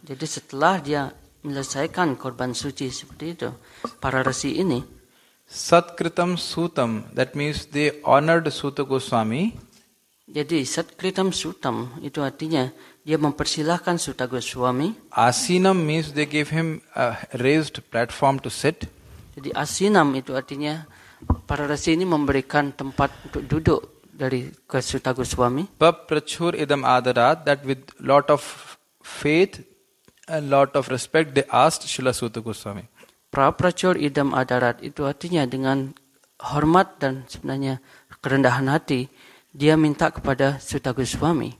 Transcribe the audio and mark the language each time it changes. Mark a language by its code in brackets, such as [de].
[id] Jadi setelah dia menyelesaikan korban suci seperti itu, para resi ini [sa] satkritam sutam, [en] that means they honored Suta Goswami. [id] Jadi [sa] satkritam sutam [id] itu artinya dia mempersilahkan Suta Goswami. [en] Asinam means they gave him a raised platform to sit. [id] Jadi asinam itu artinya para resi ini memberikan tempat untuk duduk dari Suta Goswami. [sa] Paprachur idam adarat, [en] that with lot of faith and lot of respect they asked Srila Suta Goswami. [sa] Paprachur idam adarat [id] itu artinya dengan hormat dan sebenarnya kerendahan hati dia minta kepada Suta Goswami.